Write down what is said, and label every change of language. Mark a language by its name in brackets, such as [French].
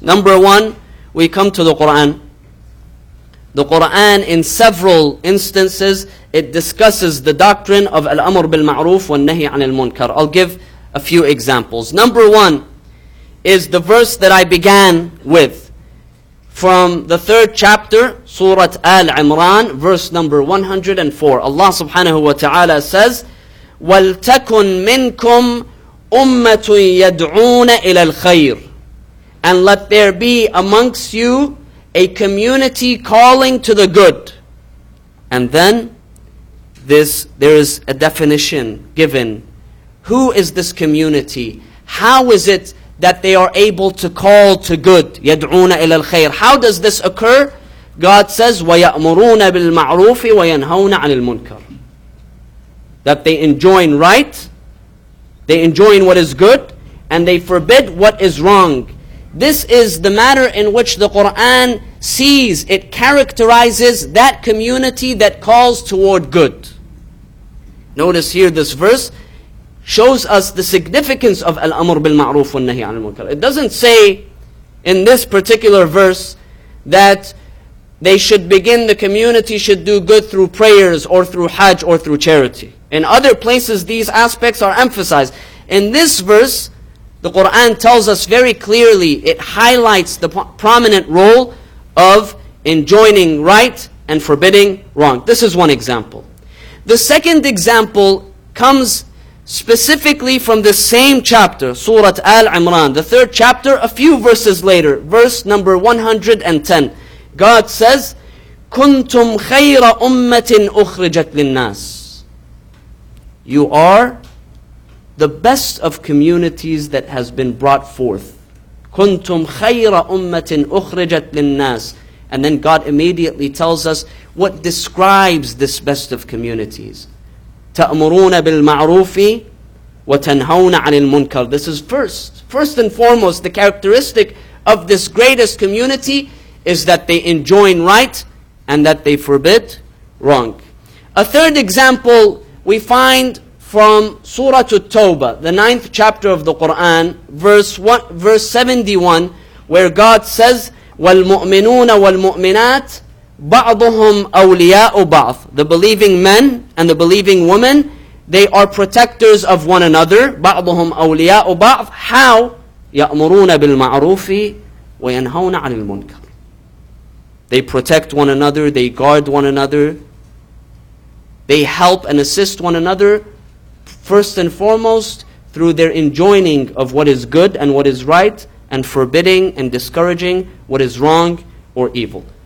[English] Number one, we come to the Qur'an. The Qur'an, in several instances, it discusses the doctrine of al-amr bil-ma'ruf wa nahi anil munkar. I'll give a few examples. Number one is the verse that I began with, from the third chapter, Surah Al-Imran, verse number 104. Allah subhanahu wa ta'ala says, [Arabic] وَلْتَكُنْ مِنْكُمْ أُمَّةٌ يَدْعُونَ إِلَى الْخَيْرِ. [English] And let there be amongst you a community calling to the good. And then there is a definition given. Who is this community? How is it that they are able to call to good? [Arabic] يَدْعُونَ إِلَى الْخَيْرِ. [English] How does this occur? God says, [Arabic] وَيَأْمُرُونَ بِالْمَعْرُوفِ وَيَنْهَوْنَ عَنِ الْمُنْكَرِ. [English] That they enjoin right, they enjoin what is good, and they forbid what is wrong. This is the manner in which the Qur'an sees, it characterizes that community that calls toward good. Notice here, this verse shows us the significance of al-amr bil-ma'ruf wal-nahi al-munkar. It doesn't say in this particular verse that they should begin, the community should do good through prayers or through hajj or through charity. In other places, these aspects are emphasized. In this verse, the Qur'an tells us very clearly, it highlights the prominent role of enjoining right and forbidding wrong. This is one example. The second example comes specifically from the same chapter, Surah Al-Imran, the third chapter, a few verses later, verse number 110. God says, [Arabic] كُنْتُمْ خَيْرَ أُمَّةٍ أُخْرِجَتْ لِلنَّاسِ. [English] You are the best of communities that has been brought forth. [Arabic] كُنْتُمْ خَيْرَ أُمَّةٍ أُخْرِجَتْ لِلنَّاسِ. [English] And then God immediately tells us what describes this best of communities. [Arabic] تَأْمُرُونَ بِالْمَعْرُوفِ وَتَنْهَوْنَ عَنِ الْمُنْكَرِ. [English] This is first and foremost, the characteristic of this greatest community is that they enjoin right and that they forbid wrong. A third example we find from Surah At-Tawbah, the 9th chapter of the Qur'an, verse 71, where God says, [Arabic] والمؤمنون والمؤمنات بعضهم أولياء بعض. [English] The believing men and the believing women, they are protectors of one another. [Arabic] بعضهم أولياء بعض. [English] How? [Arabic] يأمرون بالمعروف وينهون عن المنكر. [English] They protect one another. They guard one another. They help and assist one another, first and foremost, through their enjoining of what is good and what is right, and forbidding and discouraging what is wrong or evil.